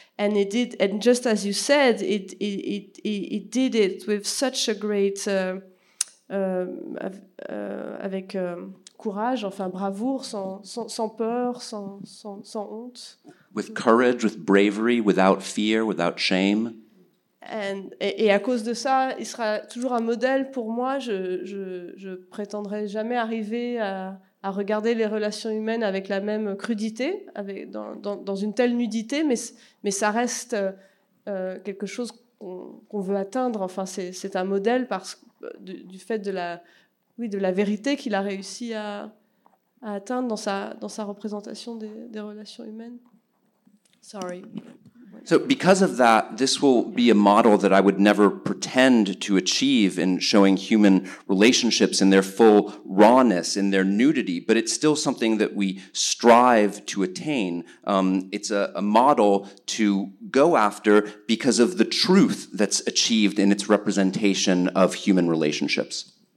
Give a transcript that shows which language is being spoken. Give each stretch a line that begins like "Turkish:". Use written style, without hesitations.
English: And he did, and just as you said, it did it with such a great,
French: avec courage, enfin bravoure, sans peur, sans honte.
English: With courage, with bravery, without fear, without shame.
French: Et à cause de ça, il sera toujours un modèle pour moi. Je prétendrai jamais arriver à regarder les relations humaines avec la même crudité, dans une telle nudité, mais ça reste quelque chose qu'on veut atteindre. Enfin, c'est un modèle du fait de la vérité qu'il a réussi à atteindre dans sa représentation des relations humaines.
English: Sorry. So because of that, this will be a model that I would never pretend to achieve in showing human relationships in their full rawness, in their nudity, but it's still something that we strive to attain. It's a model to go after because of the truth that's achieved in its representation of human relationships.